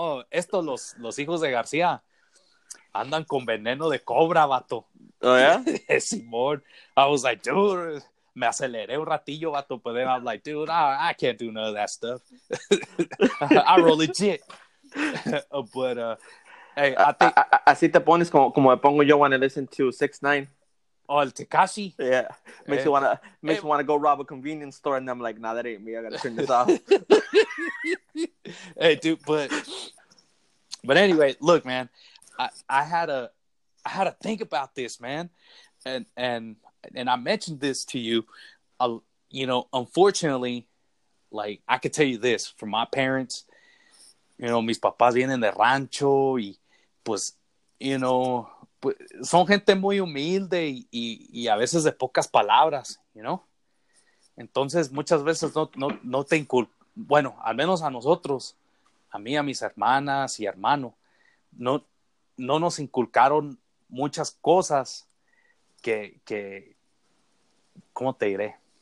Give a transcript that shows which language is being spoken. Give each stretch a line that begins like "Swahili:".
Spanish: Estos los hijos de García andan con veneno de cobra, vato.
English: Oh, yeah?
Spanish: Simón.
English: I was like, dude.
Spanish: Me aceleré un ratillo, vato.
English: But then I was like, dude, I can't do none of that stuff. I roll legit. But hey, I think
Spanish: así te pones como me pongo yo
English: when I listen to
Spanish: 6ix9ine. Oh, el Tekashi.
English: Yeah, makes me want to go rob a convenience store, and I'm like, nah, that ain't me. I gotta turn this off. Hey, dude, but anyway, look, man, I had to think about this, man, and I mentioned this to you, you know, unfortunately, like I could tell you this from my parents.
Spanish: You know, mis papás vienen de rancho y, pues, you know, son gente muy humilde y a veces de pocas palabras, you know? Entonces, muchas veces no te inculcan. Bueno, al menos a nosotros, a mí, a mis hermanas y hermano, no nos inculcaron muchas cosas que, ¿cómo te diré?